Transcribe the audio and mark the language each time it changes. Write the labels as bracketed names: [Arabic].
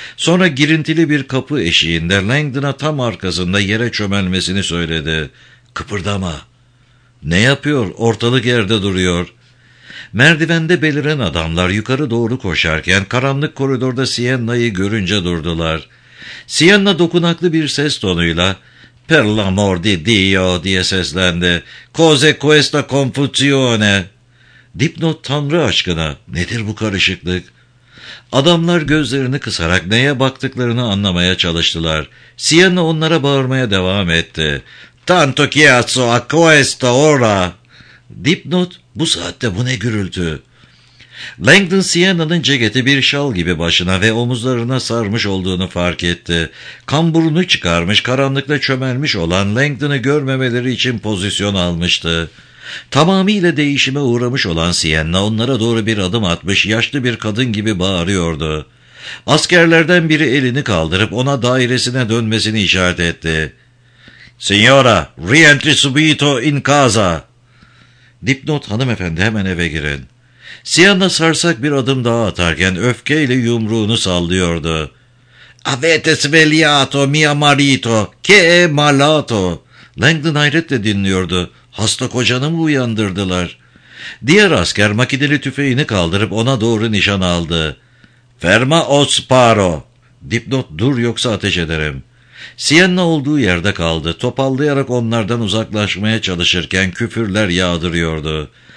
[Turkish] Sonra girintili bir kapı eşiğinde Langdon'a tam arkasında yere çömelmesini söyledi. Kıpırdama. Ne yapıyor? Ortalık yerde duruyor. Merdivende beliren adamlar yukarı doğru koşarken karanlık koridorda Sienna'yı görünce durdular. Sienna dokunaklı bir ses tonuyla [Italian] "Per l'amor di Dio" [Turkish] diye seslendi. [Italian] "Cos'è questa confusione?" [Turkish] Dipnot Tanrı aşkına, nedir bu karışıklık? Adamlar gözlerini kısarak neye baktıklarını anlamaya çalıştılar. Sienna onlara bağırmaya devam etti. [Italian] Tanto chiazzo a questa ora. [Turkish] Dipnot, bu saatte bu ne gürültü? Langdon Sienna'nın ceketi bir şal gibi başına ve omuzlarına sarmış olduğunu fark etti. Kamburunu çıkarmış, karanlıkta çömelmiş olan Langdon'ı görmemeleri için pozisyon almıştı. Tamamıyla değişime uğramış olan Sienna onlara doğru bir adım atmış yaşlı bir kadın gibi bağırıyordu. Askerlerden biri elini kaldırıp ona dairesine dönmesini işaret etti. [Italian] Signora, rientri subito in casa. [Turkish] Dipnot hanımefendi hemen eve girin. Sienna sarsak bir adım daha atarken öfkeyle yumruğunu sallıyordu. [Italian] Avete svegliato mio marito, che è malato. [Turkish] Langdon hayretle dinliyordu. Hasta kocanı mı uyandırdılar? Diğer asker makineli tüfeğini kaldırıp ona doğru nişan aldı. [Italian] Ferma o sparo. [Turkish] Dipnot dur yoksa ateş ederim. Sienna olduğu yerde kaldı. Topallayarak onlardan uzaklaşmaya çalışırken küfürler yağdırıyordu.